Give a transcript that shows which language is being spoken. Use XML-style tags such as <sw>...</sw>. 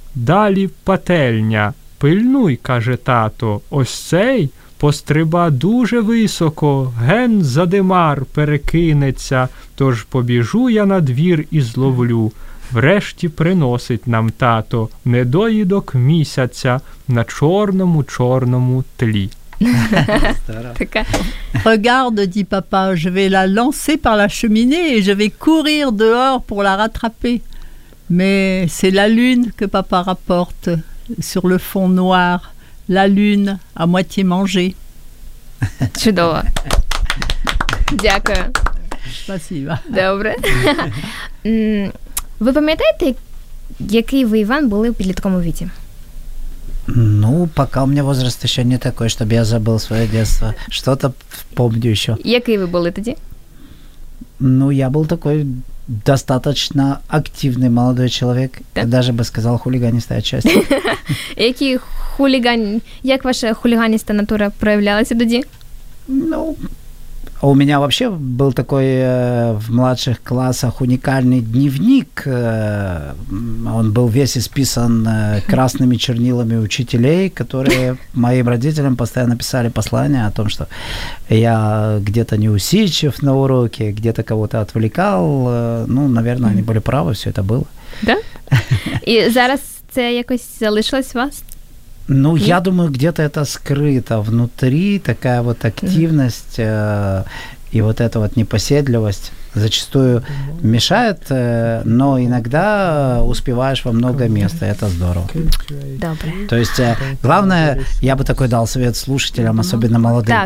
<uk>Далі пательня. Пильнуй, каже тато, ось цей постриба дуже високо. Ген за димар перекинеться. Тож побіжу я на двір і зловлю. Врешті приносить нам тато недоїдок місяця на чорному-чорному тлі.</uk> <fr>Regarde, dit papa, je vais la lancer par la cheminée et je vais courir dehors pour la rattraper. Mais c'est la lune que papa rapporte sur le fond noir, la lune à moitié mangée.</fr> <uk>Чудово. Дякую.</uk> <ru>Спасибо.</ru> <uk>Добре. Ви пам'ятаєте, який ви, Іван, були у підлітковому віці? Ну, поки у мене</uk> <ru>возраст</ru> <uk>ще не такий, щоб я забув своє дитинство. Що-то пам'ятаю ще. Який ви були тоді? Ну, я був такий достатньо активний молодий чоловік. Так. Я навіть би сказав, хуліганіста часті. Який хуліган... Як ваша хуліганіста натура проявлялася тоді? Ну...</uk> <ru>А у меня вообще был такой в младших классах уникальный дневник. Он был весь исписан красными чернилами учителей, которые моим родителям постоянно писали послания о том, что я где-то неусидчив на уроке, где-то кого-то отвлекал. Ну, наверное, они были правы, все это было. Да?</ru> <uk>И зараз це якось залишилось у вас?</uk> <ru>Ну, я думаю, где-то это скрыто внутри, такая вот активность и вот эта вот непоседливость зачастую мешает, но иногда успеваешь во много мест, и это здорово.</ru> <uk>Добре.</uk> <ru>То есть главное, я бы такой дал совет слушателям, особенно молодым,</ru>